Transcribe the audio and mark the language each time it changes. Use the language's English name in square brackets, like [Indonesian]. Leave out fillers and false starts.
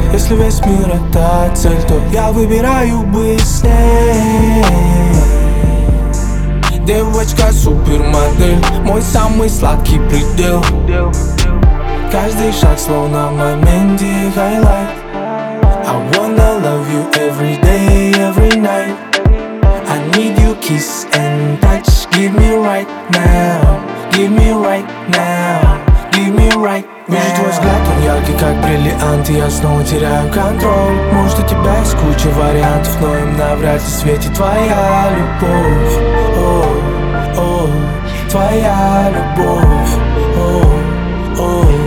[Russian] Если весь мир это цель, то я выбираю быстрее. Девочка супермодель. Мой самый сладкий предел. Каждый шаг словно момент и highlight. [English] I wanna love you every day, every night. I need you kiss and touch. Give me right now, give me right now, give me right now. [Russian] Вижу твой взгляд, он яркий как бриллиант. Я снова теряю контроль. Может, у тебя есть куча вариантов, но им навряд ли светит твоя любовь. О, о, твоя любовь. О, о.